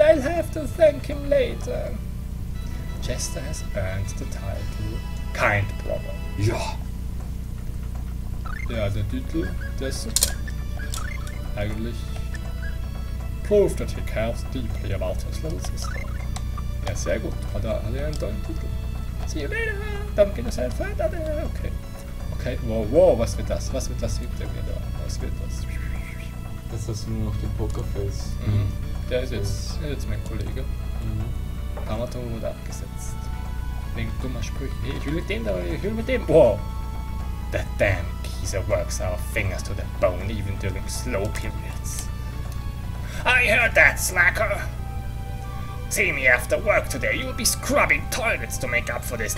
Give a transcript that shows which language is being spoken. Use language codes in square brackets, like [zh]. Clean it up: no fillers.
[en] I'll have to thank him later. Chester has earned the title Kind Brother. [de] Ja. Ja, der Titel, der ist super. Eigentlich. [en] Prove that he cares deeply about his little sister. [de] Ja, sehr gut. Hat er einen tollen Titel. [en] See you later! [de] Dann geht es halt weiter. Okay. Okay, wow, was wird das? Was wird das hinter mir da? Was wird das? Das hast du nur noch den Pokerface. Mhm. Der ist jetzt mein Kollege. Kamato wurde abgesetzt. Wegen dummer Sprüche. Ich will mit dem da, ich will mit dem. Wow! [en] The damn Kisa works our fingers to the bone even during slow periods. I heard that, slacker! See me after work today. You'll be scrubbing toilets to make up for this.